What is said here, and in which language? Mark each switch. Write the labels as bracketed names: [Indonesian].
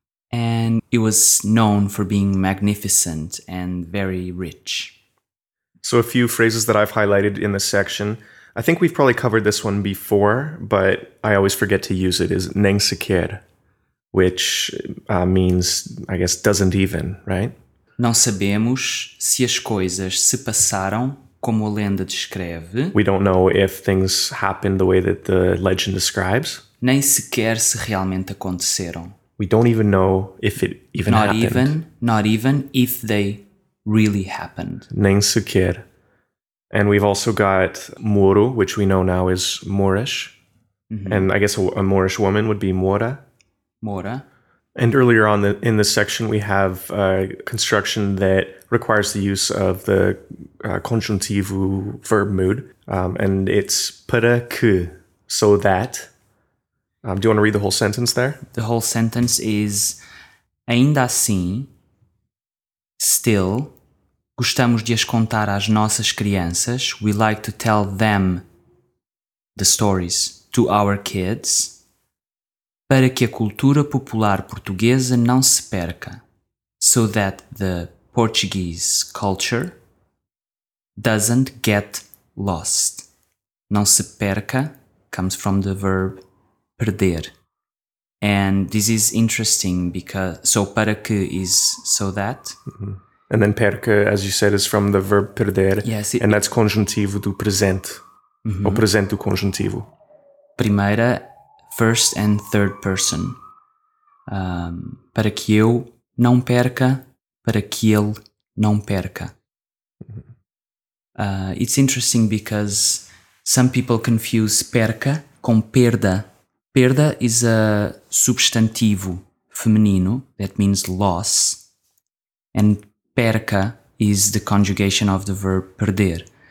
[English] And it was known for being magnificent and very rich. So a few phrases that I've highlighted in this section. I think we've probably covered this one before, but I always forget to use it, is Nem Sequer, which means, I guess, doesn't even, right? [Portuguese] Não sabemos se as coisas se passaram como a lenda descreve. [English] We don't know if things happened the way that the legend describes. [Portuguese] Nem sequer se realmente aconteceram. [English] We don't even know if it even not happened. Not even if they really happened. [Portuguese] Nem sequer. [English] And we've also got Moro, which we know now is Moorish. Mm-hmm. And I guess a Moorish woman would be Mora. [Portuguese] Mora. [English] And earlier on in this section, we have a construction that requires the use of the conjuntivo verb mood. And it's para que, so that. Do you want to read the whole sentence there? The whole sentence is, [Portuguese] ainda assim, [English] still, [Portuguese] gostamos de as contar às nossas crianças. [English] We like to tell them the stories to our kids. [Portuguese] Para que a cultura popular portuguesa não se perca. [English] So that the Portuguese culture doesn't get lost. [Portuguese] Não se perca [English] comes from the verb perder. And this is interesting because... So para que is so that... Mm-hmm. And then perca, as you said, is from the verb perder. Yes, and that's [Portuguese] conjuntivo do presente. Mm-hmm. Ou presente do conjuntivo. [English] Primeira, first and third person. [Portuguese] Para que eu não perca, para que ele não perca. Mm-hmm. [English] It's interesting because some people confuse [Portuguese] perca com perda. [English] Perda is a substantivo feminino that means loss. And perca is the conjugation of the verb perder.